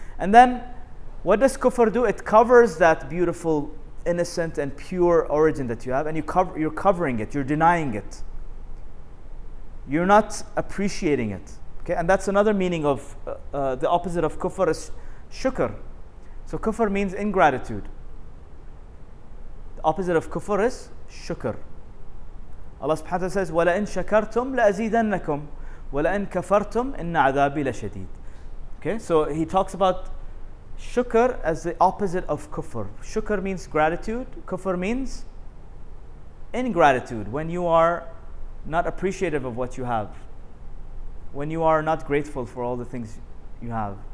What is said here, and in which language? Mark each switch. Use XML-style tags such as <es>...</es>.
<en>And then, what does kufr do? It covers that beautiful, innocent, and pure origin that you have, and you're covering it, you're denying it. You're not appreciating it. Okay, and that's another meaning of the opposite of kufr is shukr. So kufr means ingratitude. The opposite of kufr is shukr. Allah subhanahu wa ta'ala says,</en> <ar>وَلَئِن شَكَرْتُمْ لَأَزِيدَنَّكُمْ وَلَئِن كَفَرْتُمْ إِنَّ عَذَابِي لَشَدِيدٌ.</ar> <en>Okay, so he talks about shukr as the opposite of kufr. Shukr means gratitude. Kufr means ingratitude. When you are not appreciative of what you have. When you are not grateful for all the things you have.</en>